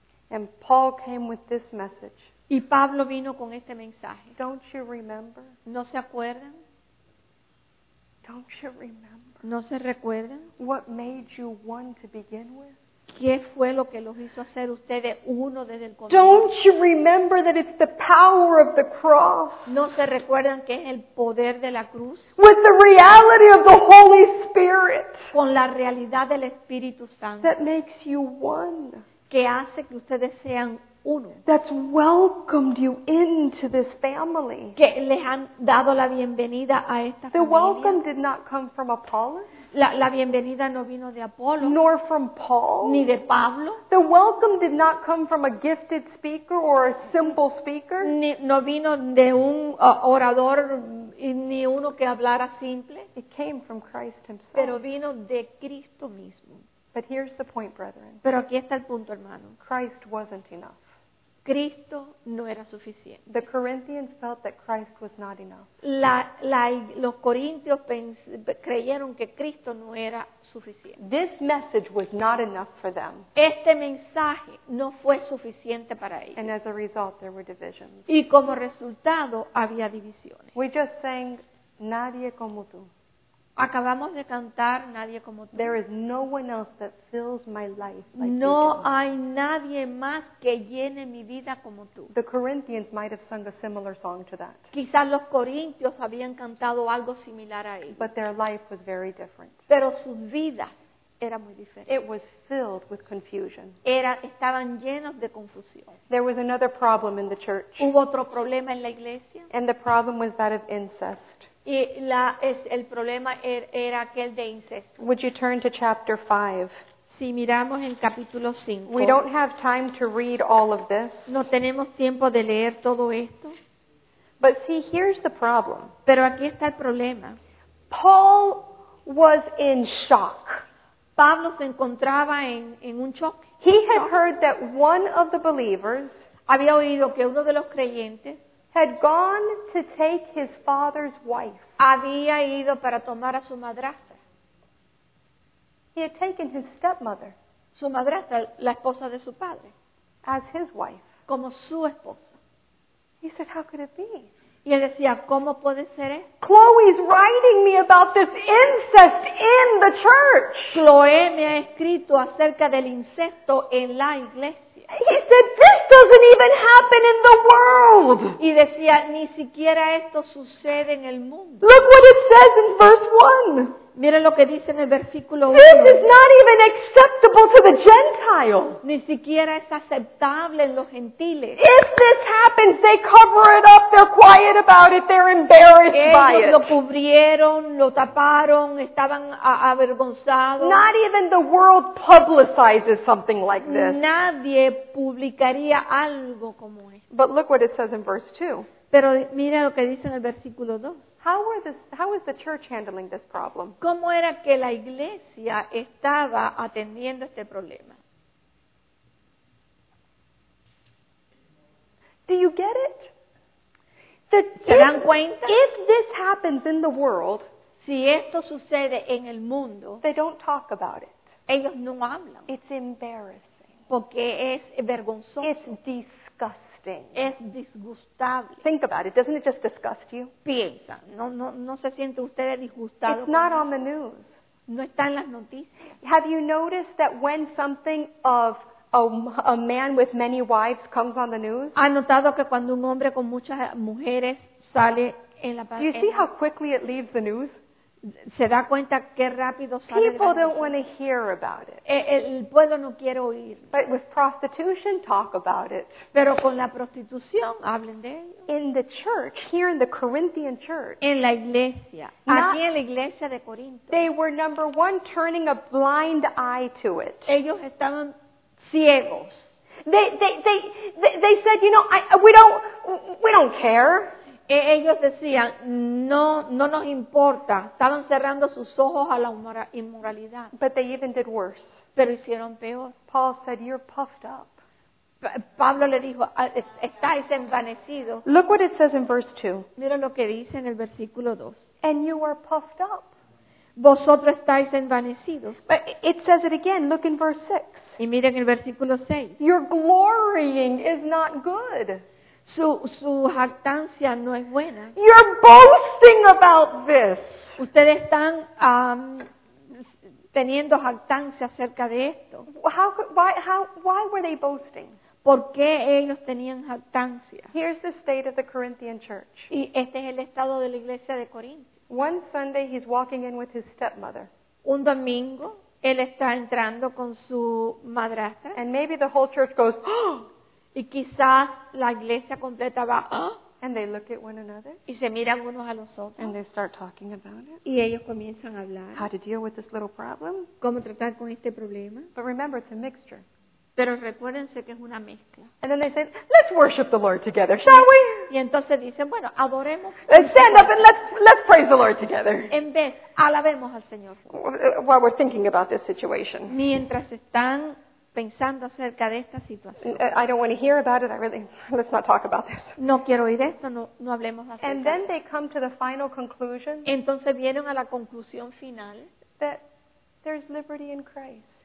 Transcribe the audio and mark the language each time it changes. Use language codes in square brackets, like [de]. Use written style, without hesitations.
[en] And Paul came with this message. [es] Y Pablo vino con este mensaje. [en] Don't you remember? [es] ¿No se acuerdan? [en] Don't you remember? [es] ¿No se recuerdan? [en] What made you one to begin with? [es] ¿Qué fue lo que los hizo hacer ustedes uno desde el comienzo? [en] Don't you remember that it's the power of the cross? [es] ¿No se recuerdan que es el poder de la cruz? [en] With the reality of the Holy Spirit. [es] Con la realidad del Espíritu Santo. [en] That makes you one. [es] Que hace que ustedes sean uno. [en] That's welcomed you into this family. [es] Que les han dado la bienvenida a esta familia. [en] The welcome did not come from Apollos. [es] La bienvenida no vino de Apolo. [en] Nor from Paul. [es] Ni de Pablo. [en] The welcome did not come from a gifted speaker or a simple speaker. [es] Ni, no vino de un orador ni uno que hablara simple. [en] It came from Christ himself. [es] Pero vino de Cristo mismo. [en] But here's the point, brethren. [es] Pero aquí está el punto, hermano. [en] Christ wasn't enough. [es] Cristo no era suficiente. [en] The Corinthians felt that Christ was not enough. [es] Los corintios creyeron que Cristo no era suficiente. [en] This message was not enough for them. [es] Este mensaje no fue suficiente para ellos. [en] And as a result, there were divisions. [es] Y como resultado, había divisiones. [en] We just sang, Nadie como tú. [es] Acabamos de cantar Nadie como tú. [en] There is no one else that fills my life like [es] no hay nadie más que llene mi vida como tú. [en] The Corinthians might have sung a similar song to that. [es] Quizás los corintios habían cantado algo similar a eso. [en] But their life was very different. [es] Pero su vida era muy diferente. [en] It was filled with confusion. [es] Estaban llenos de confusión. [en] There was another problem in the church. [es] Hubo otro problema en la iglesia. [en] And the problem was that of incest. [es] Y el problema era aquel de incesto. [en] Would you turn to chapter 5? [es] Si miramos el capítulo 5. [en] We don't have time to read all of this. [es] No tenemos tiempo de leer todo esto. [en] But see, here's the problem. [es] Pero aquí está el problema. [en] Paul was in shock. [es] Pablo se encontraba en un shock. [en] He had heard that one of the believers [es] había oído que uno de los creyentes [en] had gone to take his father's wife. [es] Había ido para tomar a su madrastra. [en] He had taken his stepmother. [es] Su madrastra, la esposa de su padre. [en] As his wife. [es] Como su esposa. [en] He said, how could it be? [es] Y él decía, ¿cómo puede ser esto? [en] Chloe's writing me about this incest in the church. [es] Chloe me ha escrito acerca del incesto en la iglesia. [en] He said, this doesn't even happen in the world. [es] Y decía, ni siquiera esto sucede en el mundo. [en] Look what it says in verse 1. [es] Miren lo que dice en el versículo 1. [en] This is not even acceptable to the Gentiles. [es] Ni siquiera es aceptable en los gentiles. [en] If this happens, they cover it up, they're quiet about it, they're embarrassed [es] ellos [en] by it. [es] Lo cubrieron, lo taparon, estaban avergonzados. [en] Not even the world publicizes something like this. [es] Nadie publicaría algo como esto. [en] But look what it says in verse 2. [es] Pero mira lo que dice en el versículo 2. [en] How is the church handling this problem? [es] ¿Cómo era que la iglesia estaba atendiendo este problema? [en] Do you get it? [es] ¿Se dan cuenta? [en] If this happens in the world, [es] si esto sucede en el mundo, [en] they don't talk about it. [es] Ellos no hablan. [en] It's embarrassing. [es] Porque es vergonzoso. [en] It's disgusting. [es] Es disgustable. [en] Think about it. Doesn't it just disgust you? [es] Piensa. No se siente ustedes disgustados. [en] It's not on the news. [es] No está en las noticias. [en] Have you noticed that when something of a man with many wives comes on the news? [es] ¿Ha notado que cuando un hombre con muchas mujeres sale en la [en] Do you see how quickly it leaves the news? [es] ¿Se da cuenta qué rápido sale? [en] People don't want to hear about it. [es] El pueblo no quiere oír. [en] But with prostitution, talk about it. [es] Pero con la prostitución, hablen de ello. [en] In the church, here in the Corinthian church. [es] En la iglesia. Aquí en la iglesia de Corinto. [en] They were, number one, turning a blind eye to it. [es] Ellos estaban ciegos. [en] They said, you know, we don't care. [es] Ellos decían, no nos importa. Estaban cerrando sus ojos a la inmoralidad. [en] But they even did worse. [es] Pero hicieron peor. [en] Paul said, you're puffed up. [es] Pablo le dijo, estáis envanecidos. [en] Look what it says in verse 2. [es] Mira lo que dice en el versículo 2. [en] And you are puffed up. [es] Vosotros estáis envanecidos. [en] But it says it again. Look in verse 6. [es] Y miren el versículo 6. [en] Your glorying is not good. [es] Su jactancia no es buena. [en] You're boasting about this. [es] Ustedes están teniendo jactancia acerca de esto. [en] Why were they boasting? [es] ¿Por qué ellos tenían jactancia? [en] Here's the state of the Corinthian church. [es] Y este es el estado de la iglesia de Corinto. [en] One Sunday, he's walking in with his stepmother. [es] Un domingo, él está entrando con su madrastra. [en] And maybe the whole church goes, oh! [es] Y quizás la iglesia completa va, oh! [en] And they look at one another. [es] Y se miran unos a los otros. [en] And they start talking about it. [es] Y ellos comienzan a hablar. [en] How to deal with this little problem. [es] ¿Cómo tratar con este problema? [en] But remember, it's a mixture. [es] Pero recuérdense que es una mezcla. [en] And then they say, let's worship the Lord together, shall we? [es] Y entonces dicen, bueno, adoremos. [en] And stand up and let's praise the Lord together. [es] En vez, alabemos al Señor. [en] While we're thinking about this situation. [es] Mientras están pensando acerca de esta situación. [en] I don't want to hear about it, I really, let's not talk about this. [es] No quiero oír esto, no hablemos acerca. [en] And then they come to the final conclusion. [es] Entonces vienen a la conclusión final. [en] That there's liberty in Christ.